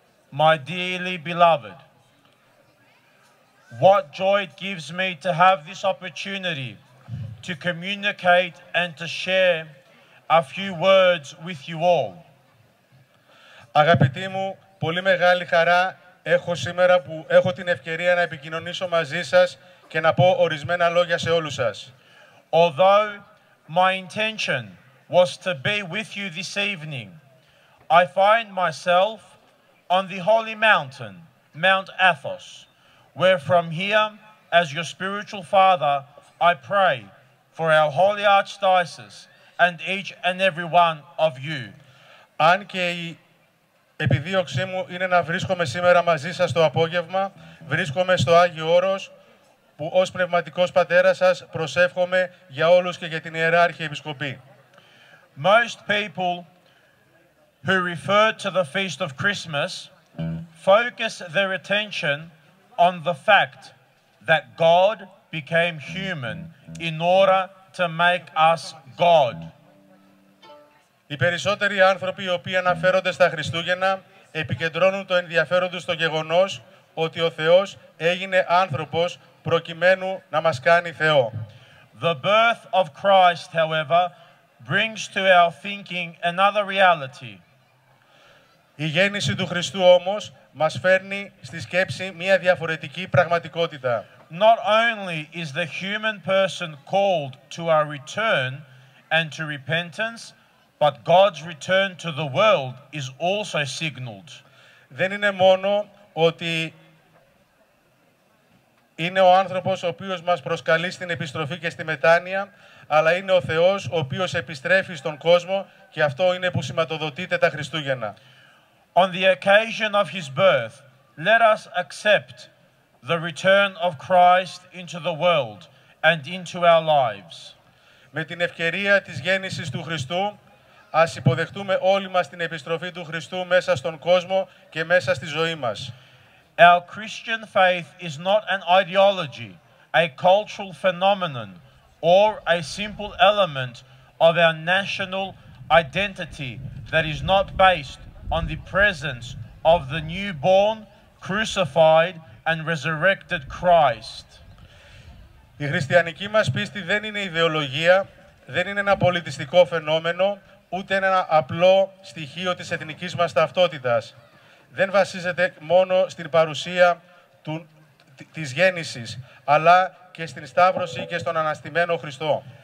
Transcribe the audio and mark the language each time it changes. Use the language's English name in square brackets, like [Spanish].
[English] My dearly beloved, what joy it gives me to have this opportunity to communicate and to share a few words with you all. [Greek] Αγαπητοί μου, πολύ μεγάλη χαρά έχω σήμερα που έχω την ευκαιρία να επικοινωνήσω μαζί σας και να πω ορισμένα λόγια σε όλους σας. [English] Although my intention was to be with you this evening, I find myself on the holy mountain, Mount Athos, where from here, as your spiritual father, I pray for our holy archdiocese and each and every one of you. [Greek] Αν και η επιδίωξή μου είναι να βρίσκομαι σήμερα μαζί σας το απόγευμα, βρίσκομαι στο Άγιο Όρος, που ως πνευματικός πατέρας σας προσεύχομαι για όλους και για την Ιερά Αρχιεπισκοπή. [English] Most people who refer to the Feast of Christmas focus their attention on the fact that God became human in order to make us God. [Greek] Οι περισσότεροι άνθρωποι οι οποίοι αναφέρονται στα Χριστούγεννα επικεντρώνουν το ενδιαφέρον τους στο γεγονός ότι ο Θεός έγινε άνθρωπος προκειμένου να μας κάνει Θεό. [English] The birth of Christ, however, brings to our thinking another reality. [Greek] Η γέννηση του Χριστού όμως μας φέρνει στη σκέψη μια διαφορετική πραγματικότητα. [English] Not only is the human person called to our return and to repentance, but God's return to the world is also signaled. [Greek] Δεν είναι μόνο ότι είναι ο άνθρωπος ο οποίος μας προσκαλεί στην επιστροφή και στη μετάνοια, αλλά είναι ο Θεός ο οποίος επιστρέφει στον κόσμο και αυτό είναι που σηματοδοτείται τα Χριστούγεννα. [English] On the occasion of his birth, let us accept the return of Christ into the world and into our lives. [Greek] Με την ευκαιρία της γέννησης του Χριστού, ας υποδεχτούμε όλοι μας την επιστροφή του Χριστού μέσα στον κόσμο και μέσα στη ζωή μας. [English] Our Christian faith is not an ideology, a cultural phenomenon, or a simple element of our national identity that is not based on the presence of the newborn, crucified and resurrected Christ. [Greek] Η χριστιανική μας πίστη δεν είναι ιδεολογία, δεν είναι ένα πολιτιστικό φαινόμενο, ούτε ένα απλό στοιχείο της εθνικής μας ταυτότητας. Δεν βασίζεται μόνο στην παρουσία της γέννησης, αλλά και στην Σταύρωση και στον Αναστημένο Χριστό.